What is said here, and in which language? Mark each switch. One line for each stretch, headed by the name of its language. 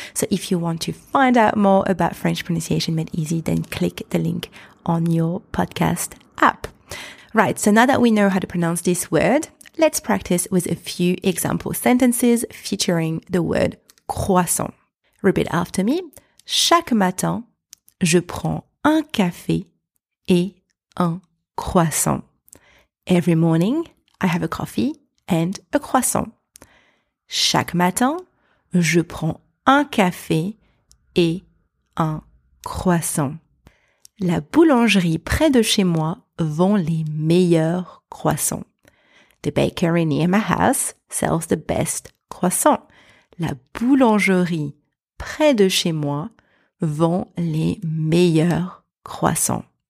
English: So if you want to find out more about French Pronunciation Made Easy, then click the link on your podcast app. Right, so now that we know how to pronounce this word, let's practice with a few example sentences featuring the word croissant. Repeat after me.
French: Chaque matin, je prends un café et un croissant.
English: Every morning, I have a coffee and a croissant.
French: Chaque matin, je prends un café et un croissant. La boulangerie près de chez moi vend les meilleurs croissants.
English: The bakery near my house sells the best croissants.
French: La boulangerie près de chez moi vend les meilleurs croissants.